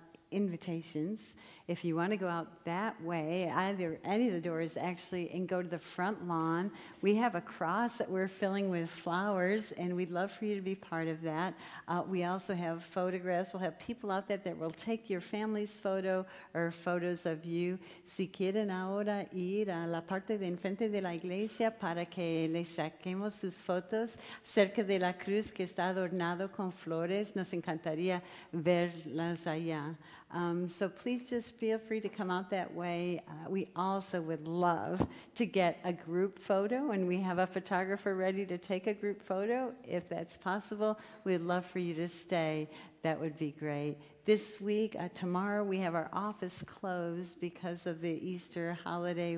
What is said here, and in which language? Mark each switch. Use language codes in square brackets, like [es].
[en] invitations. If you want to go out that way, either any of the doors actually, and go to the front lawn, we have a cross that we're filling with flowers, and we'd love for you to be part of that. We also have photographs. We'll have people out there that will take your family's photo or photos of you. [es] Si quieren ahora ir a la parte de enfrente de la iglesia para que les saquemos sus fotos cerca de la cruz que está adornado con flores, nos encantaría verlas allá. [en] So please just feel free to come out that way. We also would love to get a group photo, and we have a photographer ready to take a group photo. If that's possible, we'd love for you to stay. That would be great. This week, tomorrow, we have our office closed because of the Easter holiday.